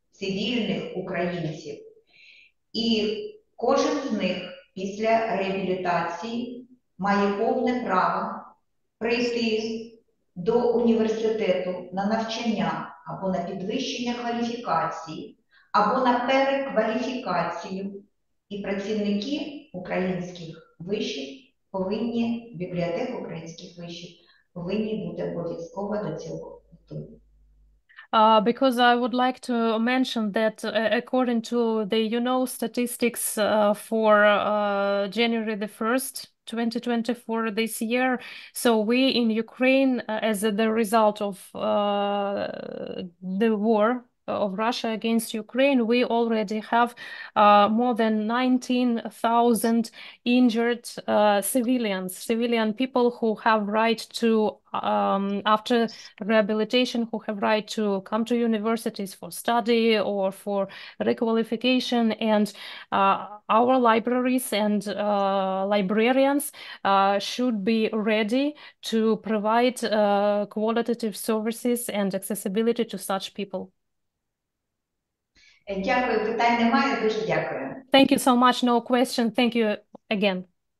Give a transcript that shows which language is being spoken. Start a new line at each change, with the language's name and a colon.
Ukrainian: цивільних українців. І кожен з них після реабілітації має повне право прийти до університету на навчання або на підвищення кваліфікації, або на перекваліфікацію, і працівники українських вишів повинні, бібліотек українських вишів повинні бути обов'язково до цього готові.
English: Because I would like to mention that according to the statistics for January the 1st, 2024 this year, so we in Ukraine, as the result of the war of Russia against Ukraine, we already have more than 19,000 injured civilian people who have right to after rehabilitation, who have right to come to universities for study or for requalification. And our libraries and librarians should be ready to provide qualitative services and accessibility to such people.
Ukrainian: Дякую, питань немає. Дуже дякую.
English: Thank you so much. No question. Thank you again.